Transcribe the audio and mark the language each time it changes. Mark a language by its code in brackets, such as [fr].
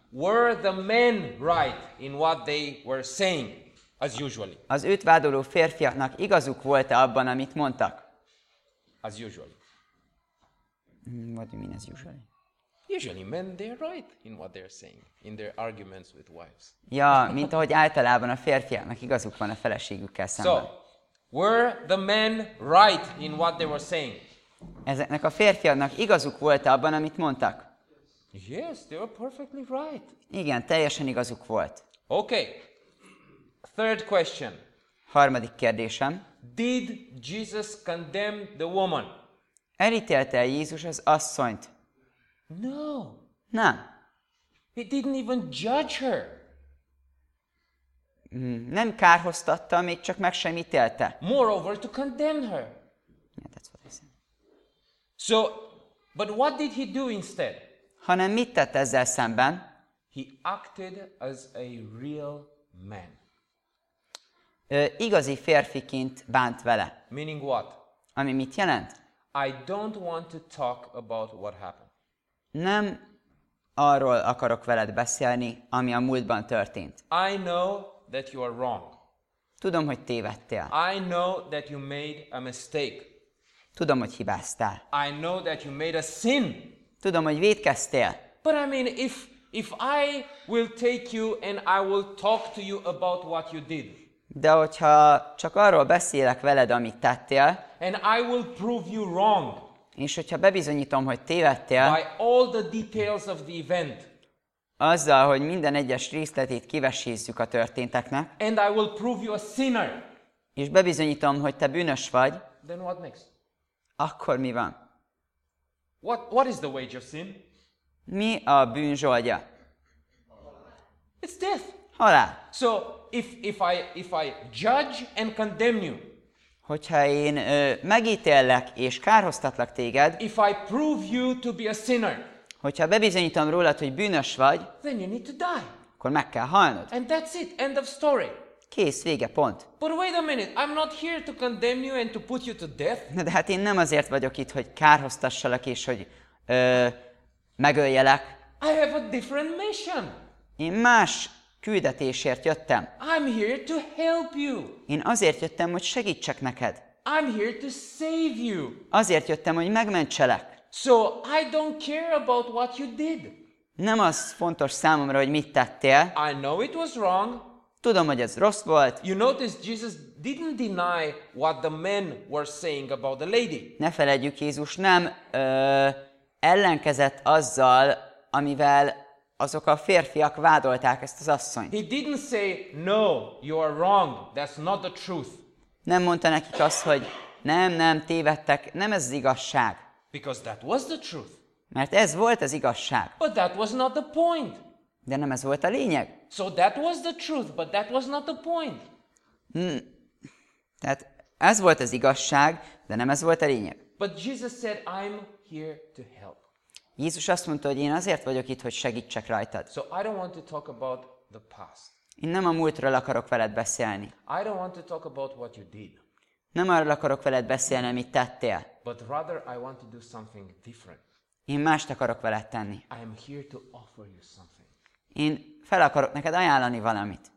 [en] Were the men right in what they were saying, as usually? [hu] Az őt vádoló férfiaknak igazuk volt-e abban, amit mondtak? [en] As usually. What do you mean as usually? Usually men, they're right in what they're saying, in their arguments with wives. [hu] Ja, mint ahogy általában a férfiaknak igazuk van a feleségükkel szemben. [en] So, were the men right in what they were saying? [hu] Ezeknek a férfiaknak igazuk volt abban, amit mondtak? [en] Yes, they were perfectly right. [hu] Igen, teljesen igazuk volt. [en] Okay. Third question. [hu] Harmadik kérdésem. [en] Did Jesus condemn the woman? [hu] Elítélte-e Jézus az asszonyt? [en] No. [hu] Nem. [en] He didn't even judge her. [hu] Nem kárhoztatta, még csak meg sem ítélte. [en] Moreover, to condemn her. Yeah, that's what I said. So, but what did he do instead? [hu] Hanem mit tett ezzel szemben? [en] He acted as a real man. [hu] Igazi férfiként bánt vele. [en] Meaning what? [hu] Ami mit jelent? [en] I don't want to talk about what happened. [hu] Nem arról akarok veled beszélni, ami a múltban történt. [en] I know that you are wrong. [hu] Tudom, hogy tévedtél. [en] I know that you made a mistake. [hu] Tudom, hogy hibáztál. [en] I know that you made a sin. [hu] Tudom, hogy vétkeztél. [en] But I mean, if I will take you and I will talk to you about what you did. [hu] De hogyha csak arról beszélek veled, amit tettél, [en] and I will prove you wrong, [hu] és hogyha bebizonyítom, hogy tévedtél, [en] by all the details of the event, [hu] azzal, hogy minden egyes részletét kivesézzük a történteknek, [en] and I will prove you a sinner, [hu] és bebizonyítom, hogy te bűnös vagy, [en] then what next? [hu] Akkor mi van? [en] What is the wage of sin? [hu] Mi a bűn zsoldja? [en] It's death. [hu] Halál. [en] So, if I judge and condemn you, [hu] hogyha én megítéllek és kárhoztatlak téged, [en] if I prove you to be a sinner, [hu] hogyha bebizonyítom rólad, hogy bűnös vagy, [en] then you need to die. [hu] Akkor meg kell halnod. [en] And that's it, end of story. [hu] Kész, vége, pont. [en] But wait a minute, I'm not here to condemn you and to put you to death. [hu] Na de hát én nem azért vagyok itt, hogy kárhoztassalak és hogy megöljelek. [en] I have a different mission. [hu] Én más küldetésért jöttem. [en] I'm here to help you. [hu] Én azért jöttem, hogy segítsek neked. [en] I'm here to save you. [hu] Azért jöttem, hogy megmentselek. [en] So I don't care about what you did. [hu] Nem az fontos számomra, hogy mit tettél. [en] I know it was wrong. [hu] Tudom, hogy ez rossz volt. [en] You notice Jesus didn't deny what the men were saying about the lady. [hu] Ne feledjük, Jézus nem ellenkezett azzal, amivel azok a férfiak vádolták ezt az asszonyt. [en] He didn't say, no, you are wrong, that's not the truth. [hu] Nem mondta nekik azt, hogy nem, tévedtek, nem ez az igazság. [en] Because that was the truth. [hu] Mert ez volt az igazság. [en] But that was not the point. [hu] De nem ez volt a lényeg. [en] So that was the truth, but that was not the point. [hu] Tehát ez volt az igazság, de nem ez volt a lényeg. [en] But Jesus said, I'm here to help. [hu] Jézus azt mondta, hogy én azért vagyok itt, hogy segítsek rajtad. [en] So I don't want to talk about the past. [hu] Én nem a múltról akarok veled beszélni. [en] I don't want to talk about what you did. [hu] Nem arról akarok veled beszélni, amit tettél. [en] But rather I want to do something different. [hu] Én mást akarok veled tenni. [en] I am here to offer you something. [hu] Én fel akarok neked ajánlani valamit.